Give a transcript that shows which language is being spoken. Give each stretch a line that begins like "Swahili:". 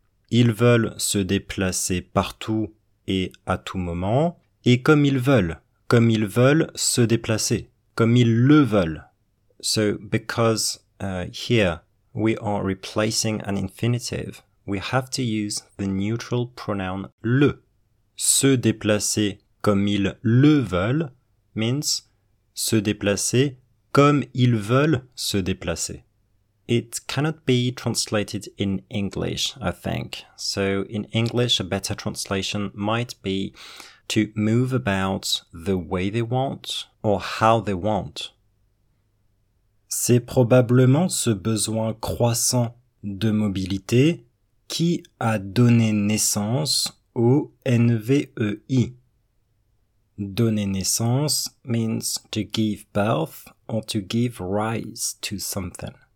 French: Ils veulent se déplacer partout et à tout moment, et comme ils veulent se déplacer, comme ils le veulent.
English: So, because here we are replacing an infinitive, we have to use the neutral pronoun le.
French: Se déplacer comme ils le veulent means se déplacer comme ils veulent se déplacer.
English: It cannot be translated in English, I think. So in English, a better translation might be to move about the way they want or how they want.
French: C'est probablement ce besoin croissant de mobilité qui a donné naissance au NVEI.
English: Donner naissance means to give birth or to give rise to something.